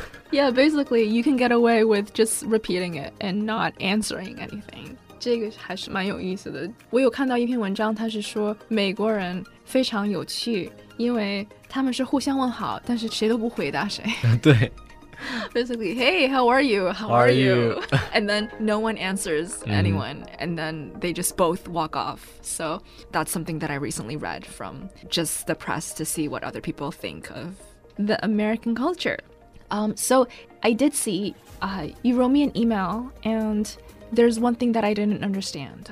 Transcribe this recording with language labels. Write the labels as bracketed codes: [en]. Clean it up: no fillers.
[en] Yeah, basically, you can get away with just repeating it and not answering anything. [zh] 这个还是蛮有意思的。我有看到一篇文章，它是说美国人非常有趣，因为他们是互相问好，但是谁都不回答谁。对。 [en] Basically, hey, how are you? How are you? And then no one answers anyone, and then they just both walk off. So that's something that I recently read from just the press to see what other people think of the American culture. So I did see, you wrote me an email, and there's one thing that I didn't understand.